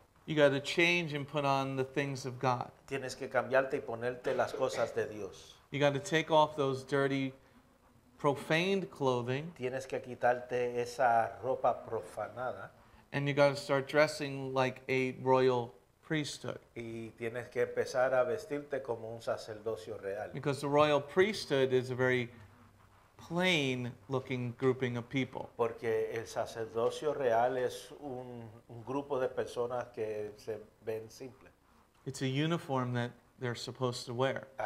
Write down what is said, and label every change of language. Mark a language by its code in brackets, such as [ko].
[en] You got to change and put on the things of God. [es] Tienes que cambiarte y ponerte las cosas de Dios. [en] You got to take off those dirty, profaned clothing. [es] Tienes que quitarte esa ropa profanada. [en] And you got to start dressing like a royal priesthood. [es] Y tienes que empezar a vestirte como un sacerdocio real. [en] Because the royal priesthood is a very plain looking grouping of people. [es] Porque el sacerdocio real es un grupo de personas que se ven simple. [en] It's a uniform that they're supposed to wear.